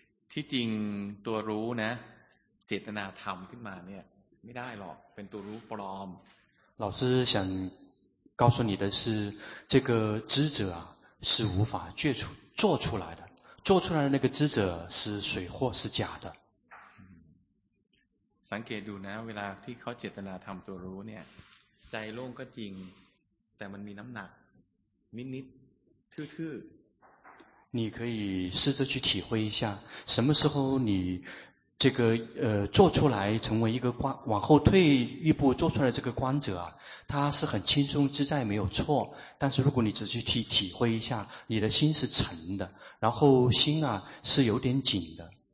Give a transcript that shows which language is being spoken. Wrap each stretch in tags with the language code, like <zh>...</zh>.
<th>ที่จริงตัวรู้นะเจตนาธรรมขึ้นมาเนี่ยไม่ได้หรอกเป็นตัวรู้ปลอม</th> <zh>老师想告诉你的是这个知者是无法觉出做出来的做出来的那个知者是水货是假的</zh> <th>สังเกตดูนะเวลาที่เขาเจตนาทำตัวรู้เนี่ยใจโล่งก็จริงแต่มันมีน้ำหนักนิดๆทื่อๆ</th> <zh>你可以试着去体会一下什么时候你这个做出来成为一个观往后退一步做出来这个观者他是很轻松自在没有错但是如果你只去体会一下你的心是沉的然后心啊是有点紧的</zh>